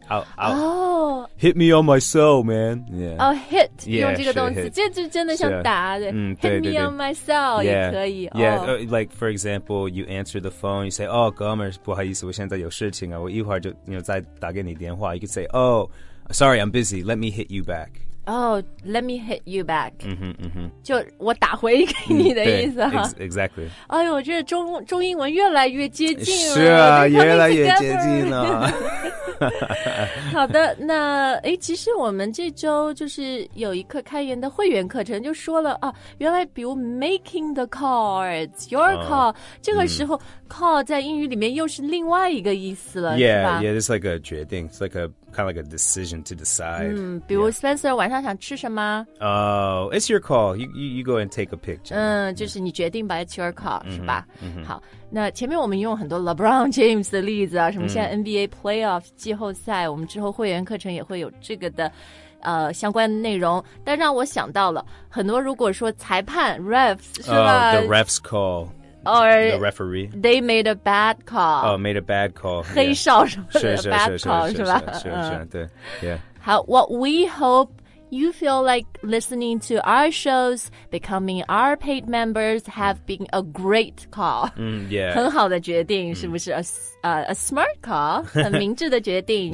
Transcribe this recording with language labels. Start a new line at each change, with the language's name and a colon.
English: I'll hit me on my cell, man. Yeah. Oh, hit.
Chinese: Yeah, 用这个动词，这真的像打。对。
English: Hit me on my cell 也可以。 Yeah. Oh. Like for example, you answer the phone. You say, "Oh,
Chinese: 哥们，不好意思，我现在有事情啊，我一会儿就再打给你电话。
English: You could say, "Oh, sorry, I'm busy. Let me hit you back." Oh, let me hit you back. Mm-hmm.
Chinese: 就我打回给你的意思哈。
English: Exactly.
Chinese: 哎呦，这中英文越来越接近了。是啊，越来越接近了。好的，那哎，其实我们这周就是有一课开源的会员课程，就说了啊，原来比如
English: making the call, it's your call,
Chinese: 这个时候 call 在英语里面又是另外一个意思了，
English: yeah,
Chinese: 是吧？
English: Yeah, it's like a 决定 it's like a... Kind of like a decision to decide. Mm,
Chinese: 比如 Spencer 晚上想吃什么
English: Oh, it's your call. You go and take a picture.
Chinese: 就是你决定吧
English: It's your call,
Chinese: mm-hmm, 是吧、mm-hmm. 好那前面我们用很多 LeBron James 的例子啊，什么现在 NBA playoff 季后赛、mm. 我们之后会员课程也会有这个的相关内容但让我想到了很多如果说裁判 refs 是吧、
English: the refs call Or the referee. They made a bad call. Oh, made a bad call.
Chinese: 黑哨什么的 bad call, 是吧？是是是，对，yeah.
English: 好 what we hope you feel like listening to our shows, becoming our paid members have been a great call. Mm, yeah.
Chinese: 很好的决定，是不是
English: a smart call,
Chinese: 很明智的决定。